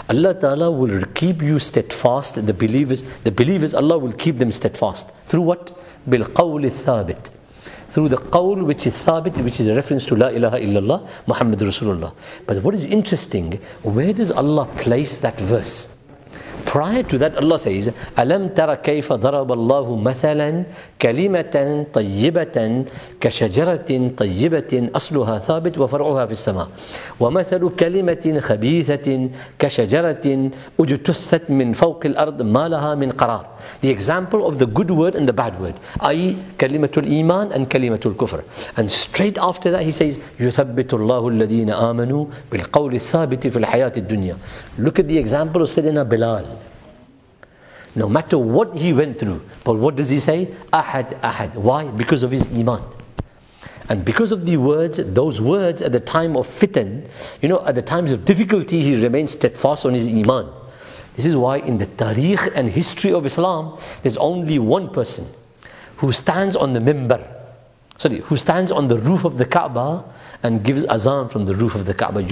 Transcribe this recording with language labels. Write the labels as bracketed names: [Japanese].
[English] Allah Ta'ala will keep you steadfast, the believers, Allah will keep them steadfast. Through what? [Arabic] بِالْقَوْلِ الثَّابِتِ. [English] Through the qawl, which is thabit, which is a reference to La ilaha illallah, Muhammad Rasulullah. But what is interesting, where does Allah place that verse? [Arabic] Prior to that, Allah says, أَلَمْ تَرَ كَيْفَ ضَرَبَ اللَّهُ مَثَلًا كَلِمَةً طَيِّبَةً كَشَجَرَةٍ طَيِّبَةٍ أَصْلُهَا ثَابِتْ وَفَرْعُهَا فِي السَّمَاءِ وَمَثَلُ كَلِمَةٍ خَبِيثَةٍ كَشَجَرَةٍ أُجْتُثَّتْ مِنْ فَوْقِ الْأَرْضِ مَا لَهَا مِنْ قَرَارٍ. [English] The example of the good word and the bad word, i.e. [Arabic] كلمة الإيمان and كلمة الكفر. [English] And straight after that, he says, [Arabic] يُثَبِّتُ اللَّهُ الَّذِينَ آمَنُوا بِالْقَوْلِ الثَّابِتِ فِي الْحَيَاةِ الدُّنْيَا. [English] Look at the example of Sayyidina Bilal. No matter what he went through, but what does he say? Ahad, ahad. Why? Because of his iman. And because of the words, those words at the time of fitan, you know, at the times of difficulty, he remains steadfast on his iman. This is why in the tariq and history of Islam, there's only one person who stands on the mimbar, who stands on the roof of the Kaaba and gives azan from the roof of the Kaaba.